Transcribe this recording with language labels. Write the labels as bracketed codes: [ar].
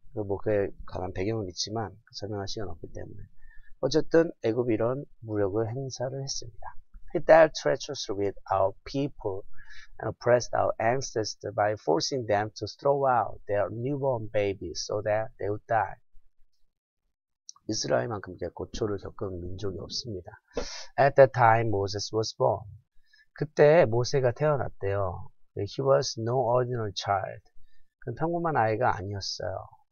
[ko] 뭐 그에 관한 배경은 있지만 설명할 시간 없기 때문에 어쨌든 애굽이 이런 무력을 행사를 했습니다. [en] He dealt treacherously with our people and oppressed our ancestors by forcing them to throw out their newborn babies so that they would die. [ko] 이스라엘만큼 고초를 겪은 민족이 없습니다. [en] At that time, Moses was born. [ko] 그때 모세가 태어났대요. [en] He was no ordinary child. [ko] 그 평범한 아이가 아니었어요.